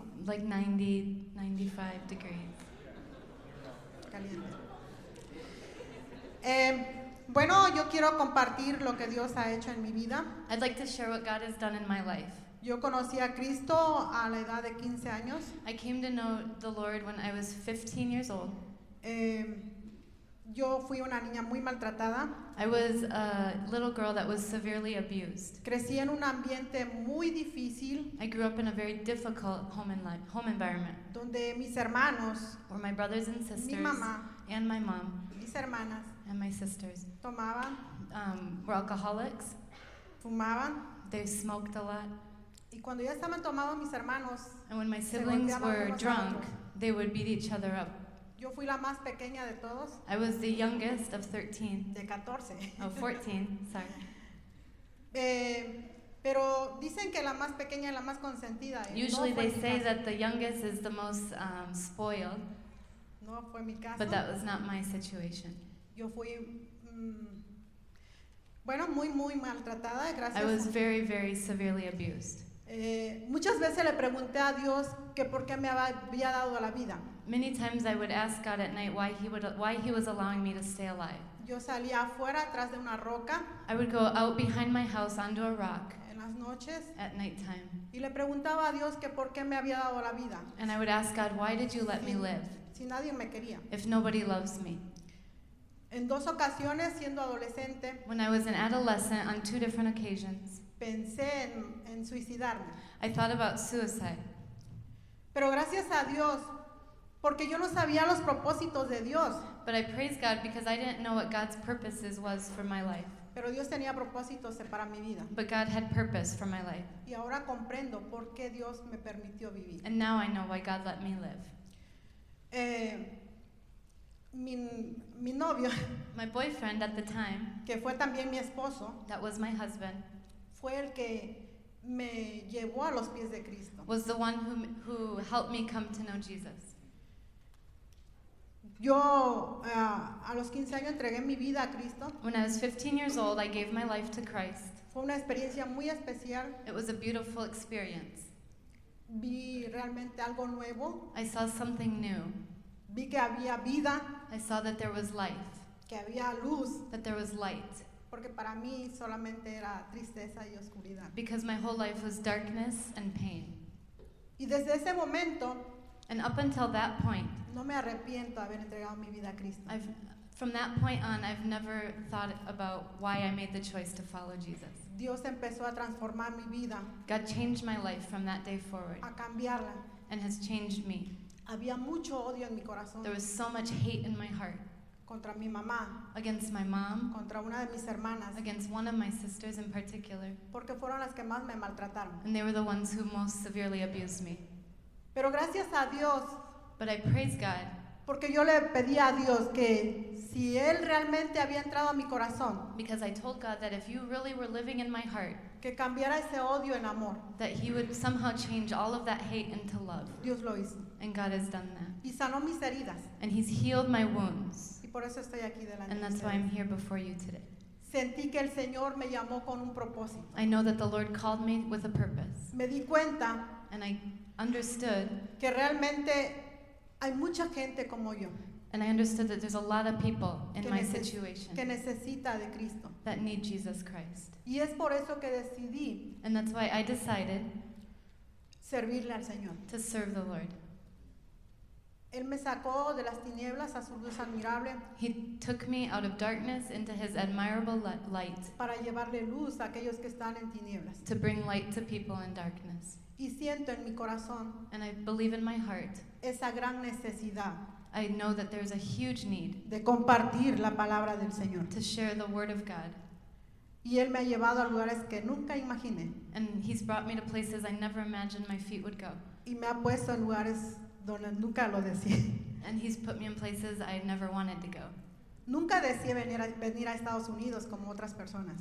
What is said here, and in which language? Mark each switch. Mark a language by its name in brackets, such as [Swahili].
[English] Like 90, 95 degrees. [Spanish] Caliente. Bueno, yo quiero compartir lo que Dios ha hecho en mi vida. [English] I'd like to share what God has done in my life. [Spanish] Yo conocí a Cristo a la edad de 15 años. [English] I came to know the Lord when I was 15 years old. [Spanish] Yo fui una niña muy maltratada. [English] I was a little girl that was severely abused. [Spanish] Crecí en un ambiente muy difícil. [English] I grew up in a very difficult home environment. [Spanish] Donde mis hermanos, [English] where my brothers and sisters, [Spanish] mi mamá, [English] and my mom, [Spanish] mis hermanas, [English] and my sisters, [Spanish] tomaban, [English] were alcoholics. [Spanish] Fumaban. [English] They smoked a lot. [Spanish] Y cuando ya estaban tomados mis hermanos, [English] and when my siblings were drunk, they would beat each other up. [Spanish] Yo fui la más pequeña de todos. [English] I was the youngest of 13. [Spanish] De 14. [English] Of 14, sorry. [Spanish] Pero dicen que la más pequeña es la más consentida. [English] Usually no they say that the youngest is the most spoiled. [Spanish] No fue mi caso. [English] But that was not my situation. [Spanish] Yo fui bueno, muy muy maltratada, gracias. [English] I was very very severely abused. [Spanish] Muchas veces le pregunté a Dios que por qué me había dado la vida. [English] Many times I would ask God at night why he was allowing me to stay alive. [Spanish] Yo salía afuera atrás de una roca. [English] I would go out behind my house under a rock. [Spanish] En las noches. [English] At nighttime. [Spanish] Y le preguntaba a Dios que por qué me había dado la vida. [English] And I would ask God, why did you let me live? [Spanish] Si nadie me quería. [English] If nobody loves me. [Spanish] En dos ocasiones siendo adolescente. [English] When I was an adolescent, on two different occasions. [Spanish] Pensé en suicidarme. [English] I thought about suicide. [Spanish] Pero gracias a Dios, Porque yo no sabía los propósitos de Dios. [English] But I praise God because I didn't know what God's purposes was for my life. [Spanish] Pero Dios tenía propósitos para mi vida. [English] But God had purpose for my life. [Spanish] Y ahora comprendo por qué Dios me permitió vivir. [English] And now I know why God let me live. [Spanish] Mi novio, [English] my boyfriend at the time, [Spanish] que fue también mi esposo, [English] that was my husband, [Spanish] fue el que me llevó a los pies de Cristo. [English] Was the one who helped me come to know Jesus. [Spanish] Yo a los 15 años entregué mi vida a Cristo. [English] When I was 15 years old, I gave my life to Christ. [Spanish] Fue una experiencia muy especial. [English] It was a beautiful experience. [Spanish] Vi realmente algo nuevo. [English] I saw something new. [Spanish] Vi que había vida. [English] I saw that there was life. [Spanish] Que había luz. [English] That there was light. [Spanish] Porque para mí solamente era tristeza y oscuridad. [English] Because my whole life was darkness and pain. [Spanish] Y desde ese momento, [English] and up until that point, [Spanish] no me arrepiento de haber entregado mi vida a Cristo. [English] From that point on, I've never thought about why I made the choice to follow Jesus. [Spanish] Dios empezó a transformar mi vida. [English] God changed my life from that day forward. [Spanish] A cambiarla. [English] And has changed me. [Spanish] Había mucho odio en mi corazón. [English] There was so much hate in my heart. [Spanish] Contra mi mamá. [English] Against my mom. [Spanish] Contra una de mis hermanas. [English] Against one of my sisters in particular. [Spanish] Porque fueron las que más me maltrataron. [English] And they were the ones who most severely abused me. [Spanish] Pero gracias a Dios. [English] But I praise God. [Spanish] Porque yo le pedí a Dios que si Él realmente había entrado a mi corazón. [English] Because I told God that if you really were living in my heart. [Spanish] Que cambiara ese odio en amor. [English] That He would somehow change all of that hate into love. [Spanish] Dios lo hizo. [English] And God has done that. [Spanish] Y sanó mis heridas. [English] And He's healed my wounds. [Spanish] Y por eso estoy aquí delante. [English] And that's why I'm here before you today. [Spanish] Sentí que el Señor me llamó con un propósito. [English] I know that the Lord called me with a purpose. [Spanish] Me di cuenta. [English] And I understood. [Spanish] Que realmente hay mucha gente como yo. [English] And I understood that there's a lot of people in my situation [Spanish] que necesita de Cristo. [English] That need Jesus Christ. [Spanish] Y es por eso que decidí, [English] and that's why I decided [Spanish] servirle al Señor. [English] To serve the Lord. [Spanish] Él me sacó de las tinieblas a su luz admirable. [English] He took me out of darkness into His admirable light. [Spanish] Para llevarle luz a aquellos que están en tinieblas. [English] To bring light to people in darkness. [Spanish] Y siento en mi corazón, [English] and I believe in my heart, [Spanish] esa gran necesidad. [English] I know that there's a huge need [Spanish] de compartir la palabra del Señor. [English] To share the word of God. [Spanish] Y Él me ha llevado a lugares que nunca imaginé. [English] And He's brought me to places I never imagined my feet would go. [Spanish] Y me ha puesto en lugares donde nunca lo deseé. [English] And He's put me in places I never wanted to go. [Spanish] Nunca deseé venir a Estados Unidos como otras personas.